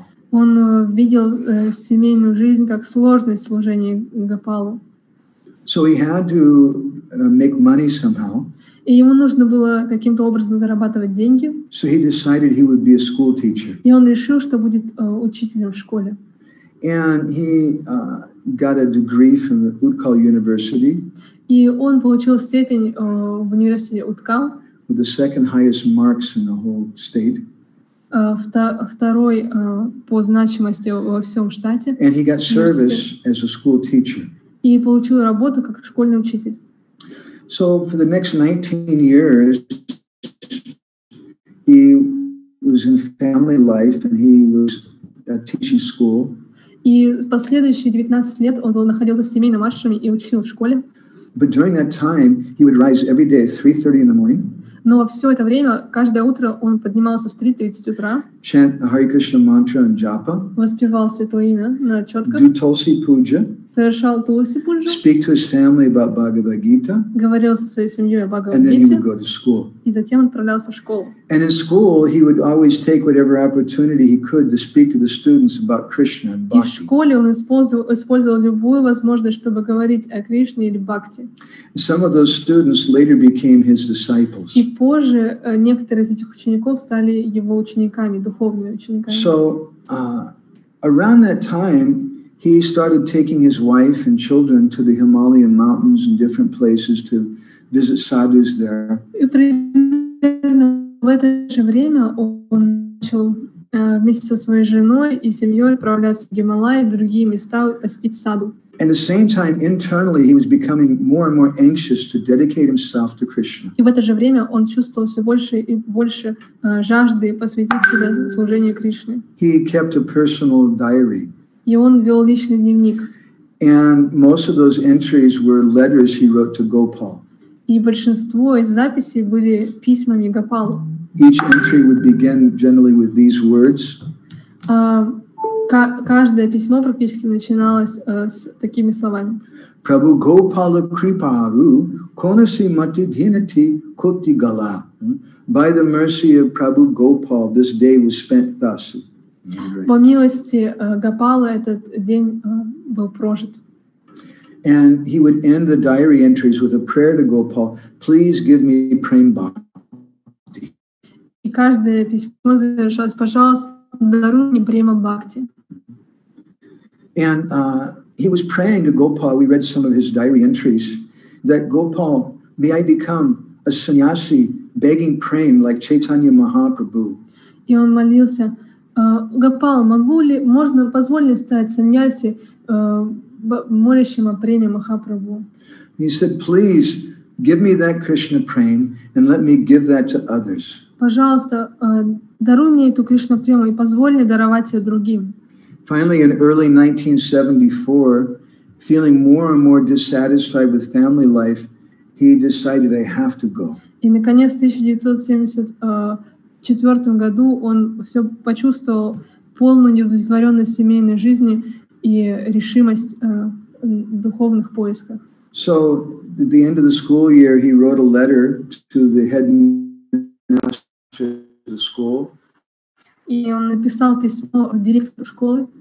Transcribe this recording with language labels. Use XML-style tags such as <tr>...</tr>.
<ru>Он видел семейную жизнь как сложность служения Гопалу.</ru> <en>So he had to make money somehow.</en> <ru>И ему нужно было каким-то образом зарабатывать деньги.</ru> <en>So he decided he would be a school teacher.</en> <ru>И он решил, что будет учителем в школе.</ru> <en>And he got a degree from the Utkal University.</en> <ru>И он получил степень в университете Уткал.</ru> <en>With the second highest marks in the whole state.</en> <ru>Второй по значимости во всем штате.</ru> <en>And he got service as a school teacher.</en> <ru>И получил работу как школьный учитель.</ru> <en>So for the next 19 years, he was in family life, and he was teaching school.</en> <ru>И последующие 19 лет он находился в семейном ашраме и учил в школе.</ru> <en>But during that time, he would rise every day at 3:30 in the morning.</en> <ru>Но все это время, каждое утро, он поднимался в 3:30 утра.</ru> <en>Chant the Hare Krishna mantra and japa.</en> <ru>Воспевал святое имя на четках.</ru> <en>Do Tulsi puja.</en> <ru>Совершал Тулси пуджу.</ru> <en>Speak to his family about Bhagavad Gita.</en> <ru>Говорил со своей семьей о Бхагавад</ru> <en>Гите. And then he would go to school.</en> <ru>И затем он отправлялся в школу.</ru> <en>And in school, he would always take whatever opportunity he could to speak to the students about Krishna and Bhakti.</en> <ru>И в школе он использовал любую возможность, чтобы говорить о Кришне или Бхакти.</ru> <en>Some of those students later became his disciples.</en> <ru>И позже некоторые из этих учеников стали его учениками, духовными учениками.</ru> <en>So, around that time, he started taking his wife and children to the Himalayan mountains and different places to visit sadhus there.</en> <ru>И примерно в это же время он начал вместе со своей женой и семьей отправляться в Гималаи и другие места посетить саду.</ru> <en>And at the same time, internally, he was becoming more and more anxious to dedicate himself to Krishna.</en> <ru>И в это же время он чувствовал все больше и больше жажды посвятить себя служению Кришне.</ru> <en>He kept a personal diary.</en> <ru>И он вел личный дневник.</ru> <en>And most of those entries were letters he wrote to Gopal.</en> <ru>И большинство из записей были письмами Гопалу.</ru> <en>Each entry would begin generally with these words.</en> <ru>каждое письмо практически начиналось с такими словами.</ru> <or>Prabhu Gopala Kripāru Konasi Mati Dhinati Koti Gala.</or> <en>By the mercy of Prabhu Gopal, this day was spent thus.</en> <ru>По милости Гопалы этот день был прожит.</ru> <en>And he would end the diary entries with a prayer to Gopal, please give me prem bhakti.</en> <ru>И каждое письмо завершалось, пожалуйста, даруй мне према бхакти.</ru> <en>And he was praying to Gopal, we read some of his diary entries, that Gopal, may I become a sannyasi begging prem like Chaitanya Mahaprabhu.</en> <ru>И он молился, Гопал, могу ли, можно, позволь мне стать саньяси, молящим о преме Махапрабху.</ru> <en>He said, please give me that Krishna prem and let me give that to others.</en> <ru>Пожалуйста, даруй мне эту Кришна прему и позволь мне даровать ее другим.</ru> <en>Finally, in early 1974, feeling more and more dissatisfied with family life, he decided I have to go.</en> <ru>И наконец, 1974 году он все почувствовал полную неудовлетворенность семейной жизни и решимость духовных поисках.</ru> <en>So at the end of the school year, he wrote a letter to the headmaster of the school.</en> <ru>И он написал письмо директору школы.</ru>